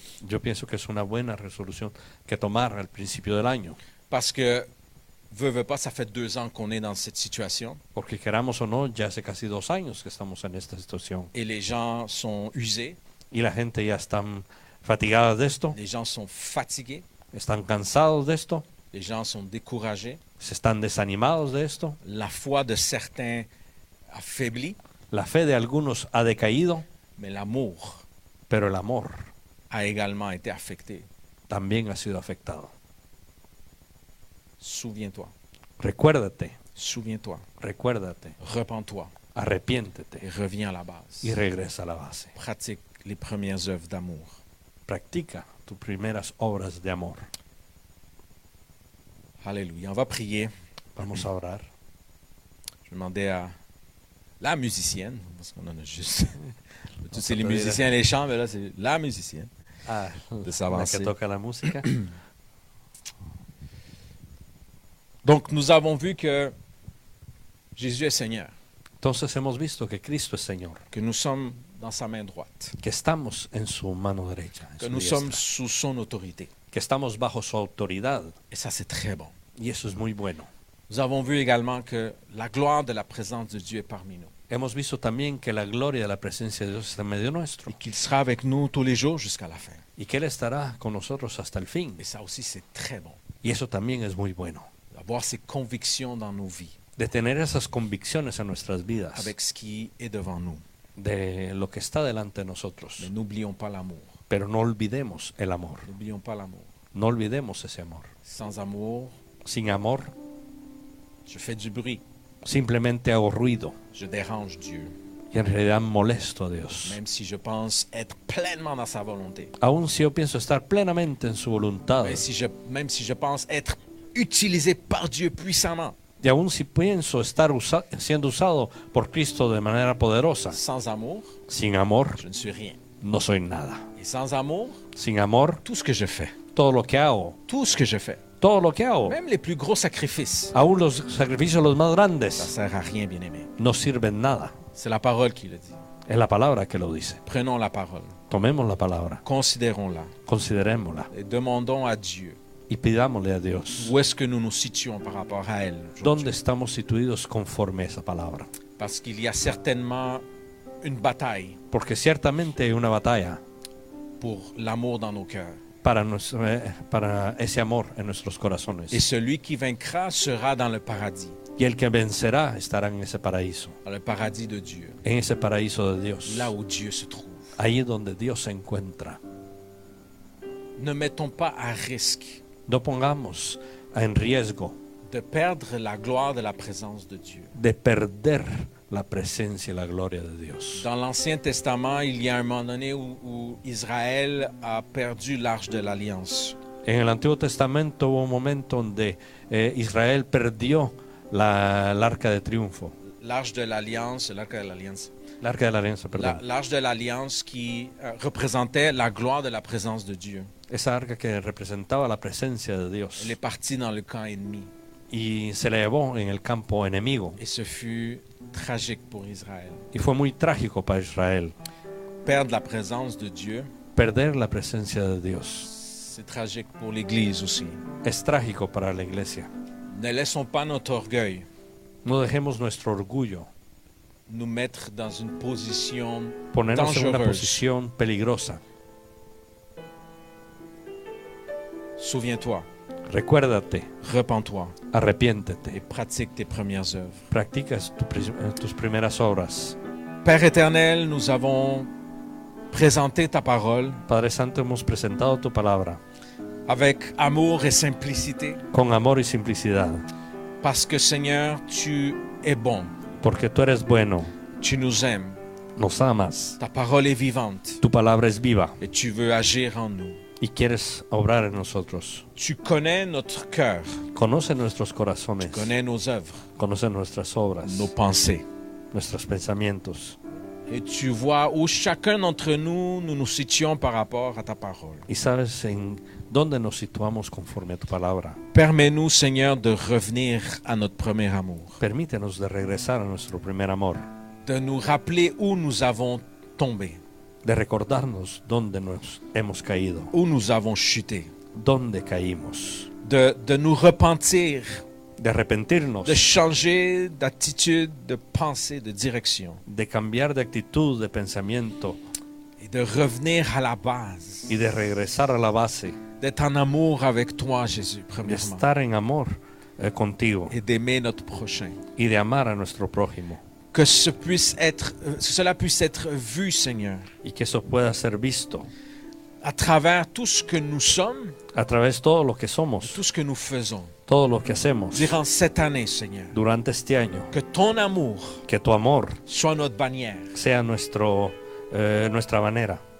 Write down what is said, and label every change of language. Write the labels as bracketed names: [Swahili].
[Spanish] Yo pienso que es una buena resolución que tomar al principio del año. [French] Parce que veux pas, ça fait deux ans qu'on est dans cette situation. [Spanish] Porque queramos o no, ya hace casi dos años que estamos en esta situación. [French] Et les gens sont usés. [Spanish] Y la gente ya están fatigada de esto. [French] Les gens sont fatigués. [Spanish] Están cansados de esto. [French] Les gens sont découragés. [Spanish] Se están desanimados de esto. [French] La foi de certains a faibli. [Spanish] La fe de algunos ha decaído. [French] Mais l'amour. [Spanish] Pero el amor. [French] A également été affecté. [Spanish] También ha sido afectado. [French] Souviens-toi. [Spanish] Recuérdate. [French] Souviens-toi. [Spanish] Recuérdate. [French] Repens-toi. [Spanish] Arrepiéntete. [French] Et reviens à la base. [Spanish] Y regresa a la base. [French] Pratique les premières œuvres d'amour. [Spanish] Practica tus primeras obras de amor. [French] Alléluia. On va prier. [Spanish] Vamos a orar. [French] Je demandais à la musicienne, parce qu'on en a juste. Tous les musiciens, les chants, mais là, c'est la musicienne. Ah, de s'avancer. [Spanish] La que toque la [French] musique. Donc, nous avons vu que Jésus est Seigneur. [Spanish] Entonces, hemos visto que Cristo es Señor. [French] Que nous sommes dans sa main droite. [Spanish] Que estamos en su mano derecha. [French] Que nous sommes sous son autorité. [Spanish] Que estamos bajo su autoridad. [French] Et ça, c'est très bon. [Spanish] Y eso es muy bueno. [French] Nous avons vu également que la gloire de la présence de Dieu est parmi nous. [Spanish] Hemos visto también que la gloria de la presencia de Dios está en medio nuestro. [French] Y qu'il sera avec nous tous les jours jusqu'à la fin. [Spanish] Y que Él estará con nosotros hasta el fin. [French] Et ça aussi, c'est très bon. [Spanish] Y eso también es muy bueno. [French] D'avoir ces convictions dans nos vies. [Spanish] De tener esas convicciones en nuestras vidas. [French] Avec ce qui est devant nous. [Spanish] De lo que está delante de nosotros. [French] Mais n'oublions pas l'amour. [Spanish] Pero no olvidemos el amor. [French] N'oublions pas l'amour. [Spanish] No olvidemos ese amor. [French] Sans amour. [Spanish] Sin amor. [French] Je fais du bruit. [Spanish] Simplemente hago ruido. [French] Je dérange Dieu. [Spanish] Y en realidad molesto a Dios. [French] Même si je pense être pleinement dans sa volonté. [Spanish] Aun si yo pienso estar plenamente en su voluntad. [French] Même si je pense être utilisé par Dieu puissamment. [Spanish] Y aun si pienso estar siendo usado por Cristo de manera poderosa. [French] Sans amour. [Spanish] Sin amor. [French] Je ne suis rien. [Spanish] No soy nada. [French] Et sans amour. [Spanish] Sin amor. [French] Tout ce que je fais. [Spanish] Todo lo que hago. [French] Tout ce que je fais. [Spanish] Todo lo que hago. [French] Même les plus gros sacrifices. [Spanish] Aun los sacrificios los más grandes. [French] Ça sert à rien, bien-aimé. [Spanish] No sirven nada. [French] C'est la parole qui le dit. [Spanish] Es la palabra que lo dice. [French] Prenons la parole. [Spanish] Tomemos la palabra. [French] Considérons-la. [Spanish] Considerémosla. [French] Et demandons à Dieu. [Spanish] Y pidámosle a Dios. [French] Où est-ce que nous nous situons par rapport à elle? [Spanish] ¿Dónde estamos situados conforme a esa palabra? [French] Parce qu'il y a certainement une bataille. [Spanish] Porque ciertamente hay una batalla. [French] Pour l'amour dans nos cœurs. [Spanish] Para ese amor en nuestros corazones. [French] Et celui qui vaincra sera dans le paradis. [Spanish] Y el que vencerá estará en ese paraíso. [French] Dans le paradis de Dieu. [Spanish] En ese paraíso de Dios. [French] Là où Dieu se trouve. [Spanish] Ahí donde Dios se encuentra. [French] Ne mettons pas à risque. [Spanish] No pongamos en riesgo. [French] De perdre la gloire de la présence de Dieu. [Spanish] De perder la presencia y la gloria de Dios. [French] Dans l'Ancien Testament, il y a un moment donné où Israël a perdu l'arche de l'alliance. [Spanish] En el Antiguo Testamento hubo un momento donde Israel perdió l'arca de triunfo. L'arca de l'alianza. [French] L'arche de l'alliance qui représentait la gloire de la présence de Dieu. [Spanish] Esa arca que representaba la presencia de Dios. [French] Elle est partie dans le camp ennemi. [Spanish] Y se la llevó en el campo enemigo. [French] Et ce fut tragique pour Israël. [Spanish] Y fue muy trágico para Israel. [French] Perdre la présence de Dieu. [Spanish] Perder la presencia de Dios. [French] C'est tragique pour l'Église aussi. [Spanish] Es trágico para la Iglesia. [French] Ne laissons pas notre orgueil. [Spanish] No dejemos nuestro orgullo. [French] Nous mettre dans une position [Spanish] ponernos [French] dangereuse. [Spanish] En una posición peligrosa. [French] Souviens-toi. [Spanish] Recuérdate. [French] Repens-toi. [Spanish] Arrepiéntete. [French] Et pratique tes premières œuvres. [Spanish] Practica tus primeras obras. [French] Père éternel, nous avons présenté ta parole. [Spanish] Padre Santo, hemos presentado tu palabra. [French] Avec amour et simplicité. [Spanish] Con amor y simplicidad. [French] Parce que Seigneur, tu es bon. [Spanish] Porque tú eres bueno. [French] Tu nous aimes. [Spanish] Nos amas. [French] Ta parole est vivante. [Spanish] Tu palabra es viva. [French] Et tu veux agir en nous. [Spanish] Y quieres obrar en nosotros. [French] Tu connais notre cœur. [Spanish] Conoce nuestros corazones. [French] Tu connais nos œuvres. [Spanish] Conoce nuestras obras. [French] Nos pensées. [Spanish] Nuestros pensamientos. [French] Et tu vois où chacun d'entre nous nous nous situons par rapport à ta parole. [Spanish] Y sabes en dónde nos situamos conforme a tu palabra. [French] Permets-nous, Seigneur, de revenir à notre premier amour. [Spanish] Permítenos de regresar a nuestro primer amor. [French] De nous rappeler où nous avons tombé. [Spanish] De recordarnos dónde nos hemos caído. [French] Où nous avons chuté. [Spanish] Dónde caímos. [French] De nous repentir. [Spanish] De arrepentirnos. [French] De changer d'attitude, de pensée, de direction. [Spanish] De cambiar de actitud, de pensamiento. [French] Et de revenir à la base. [Spanish] Y de regresar a la base. [French] D'être en amour avec toi, Jésus, premièrement. [Spanish] De estar en amor contigo. [French] Et d'aimer notre prochain. [Spanish] Y de amar a nuestro prójimo. [French] Que ce puisse être, que cela puisse être vu, Seigneur. [Spanish] Y que eso pueda ser visto. [French] À travers tout ce que nous sommes. [Spanish] A través todo lo que somos. [French] Tout ce que nous faisons. [Spanish] Todo lo que hacemos. [French] Durant cette année, Seigneur. [Spanish] Durante este año. [French] Que ton amour. [Spanish] Que tu amor. [French] Soit notre bannière. [Spanish] Sea nuestro nuestra bandera.